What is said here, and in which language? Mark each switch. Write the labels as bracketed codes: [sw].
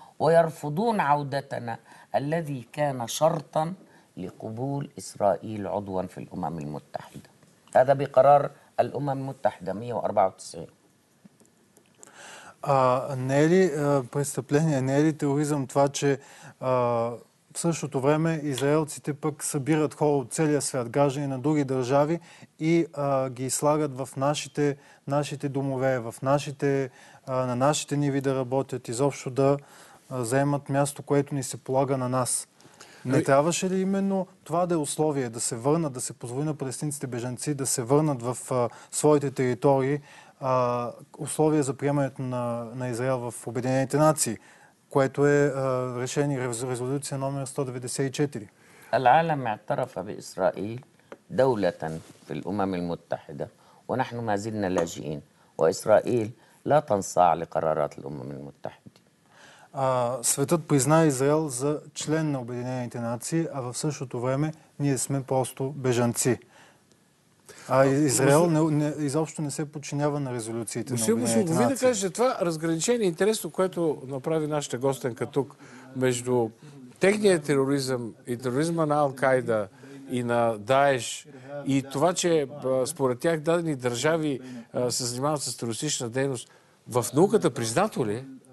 [ar] ويرفضون عودتنا الذي كان شرطا لقبول اسرائيل عضوا في الامم المتحده هذا بقرار الامم المتحده 194 [bg] нели престъпление нели тероризъм това че в същото време израелците пък събират хора от целия свят граждани на други държави и ги слагат в нашите домове в нашите на нашите ниви да работят изобщо да заемат място, което ни се полага на нас. Не трябваше ли именно това да е условие, да се върнат, да се позволи на палестинците бежанци, да се върнат в своите територии, условие за приемането на Израел в Обединените нации, което е решение резолюция номер 194? [ar] العالم اعترف بإسرائيل دولة في الأمم المتحدة ونحن ما زلنا لاجئين، وإسرائيل لا تنصاع لقرارات الأمم المتحدة. [bg] Светът призна Израел за член на Обединените нации, а в същото време ние сме просто бежанци. А Израел изобщо не се подчинява на резолюциите на Обединените нации. Господин Мусов, да кажете, това разграничение е интересно, което направи нашата гостенка тук, между техния тероризъм и тероризма на Ал-Кайда и на Даеш, и това, че според тях дадени държави се занимават с терористична дейност, в науката признато ли?